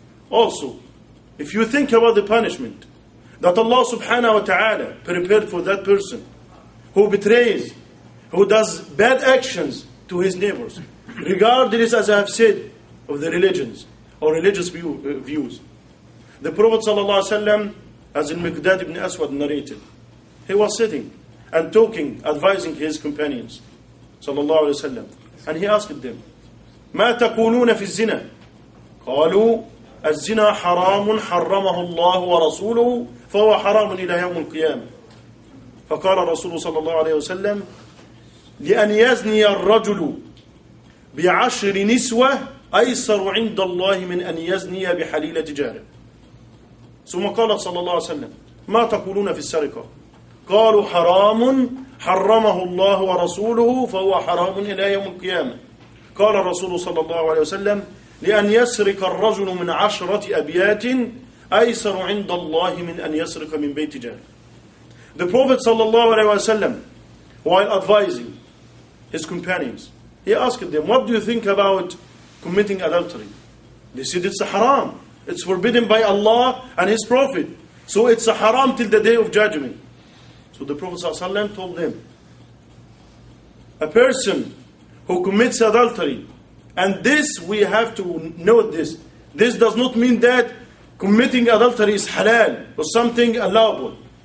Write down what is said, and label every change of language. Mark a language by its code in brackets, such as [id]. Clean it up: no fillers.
[en] Also, if you think about the punishment that Allah subhanahu wa ta'ala prepared for that person who betrays, who does bad actions to his neighbors, regardless, as I have said, of the religions or religious views. The Prophet ﷺ, as in Miqdad ibn Aswad narrated, he was sitting and talking, advising his companions, sallallahu alayhi wa sallam. And he asked them, [ar] ما تقولون في الزنا؟ قالوا, الزنا حرام حرمه الله ورسوله فهو حرام إلى يوم القيامة. فقال رسول صلى الله عليه وسلم: لأن يزني الرجل بعشر نسوة أيسر عند الله من أن يزني بحليلة جاره. ثم قال صلى الله عليه وسلم: ما تقولون في السرقة؟ قالوا: حرام، حرمه الله ورسوله، فهو حرام إلى يوم القيامة. قال الرسول صلى الله عليه وسلم: لأن يسرق الرجل من عشرة أبيات أيسر عند الله من أن يسرق من بيت جاره. [en] The Prophet صلى الله عليه وسلم, while advising his companions, he asked them, what do you think about committing adultery? They said, it's a haram. It's forbidden by Allah and his Prophet. So it's a haram till the day of judgment. So the Prophet صلى الله عليه وسلم told them, a person who commits adultery, and this we have to note this, this does not mean that committing adultery is halal or something allowable.